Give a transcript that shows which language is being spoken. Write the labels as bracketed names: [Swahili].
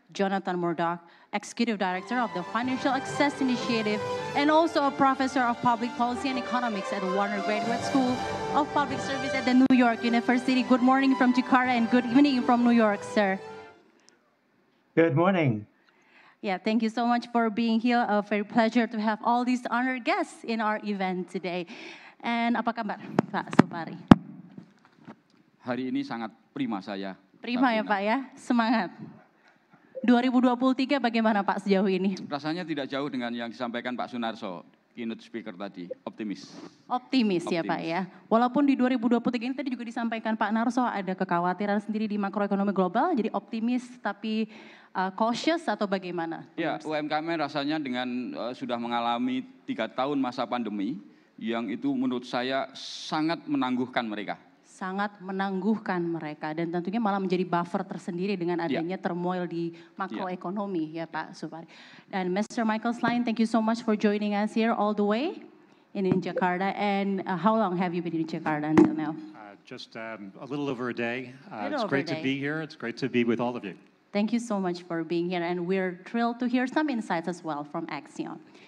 [English] Jonathan Murdoch, Executive Director of the Financial Access Initiative and also a Professor of Public Policy and Economics at Warner Graduate School of Public Service at the New York University. Good morning from Jakarta and good evening from New York, sir. Good morning. Yeah, thank you so much for being here. A very pleasure to have all these honored guests in our event today. [Indonesian] And apa kabar, Pak Supari? Hari ini sangat prima saya. Prima ya, Pak ya? Semangat. 2023 bagaimana Pak sejauh ini? Rasanya tidak jauh dengan yang disampaikan Pak Sunarso, keynote speaker tadi, optimis. Optimis ya Pak ya. Walaupun di 2023 ini tadi juga disampaikan Pak Narso ada kekhawatiran sendiri di makroekonomi global, jadi optimis tapi cautious atau bagaimana? Ya, UMKM rasanya dengan sudah mengalami 3 tahun masa pandemi, yang itu menurut saya sangat menangguhkan mereka. Sangat menangguhkan mereka dan tentunya malah menjadi buffer tersendiri dengan adanya turmoil di makroekonomi ya Pak Supari. Dan Mr. [English] Michael Sline, thank you so much for joining us here all the way in Jakarta. And how long have you been in Jakarta until now? Just a little over a day. It's great to be here. It's great to be with all of you. Thank you so much for being here and we're thrilled to hear some insights as well from Axion.